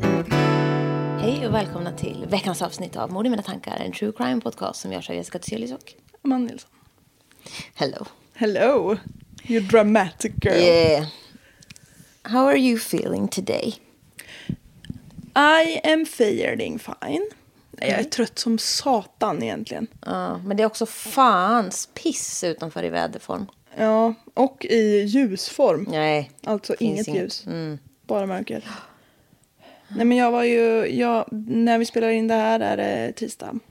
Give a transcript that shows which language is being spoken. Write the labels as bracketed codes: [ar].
[sv] Hej och välkomna till veckans avsnitt av Mord i mina tankar, en true crime podcast som görs av Jessica Tselius och Amanda Nilsson. [en] Hello. Hello, you dramatic girl. Yeah. How are you feeling today? I am feeling fine. Okay. [sv] Jag är trött som satan egentligen. Ja, men det är också fans piss utanför i väderform. Ja, och i ljusform. Nej. Alltså inget ljus. Mm. Bara mörker. Nej, men när vi spelar in det här är det tisdag.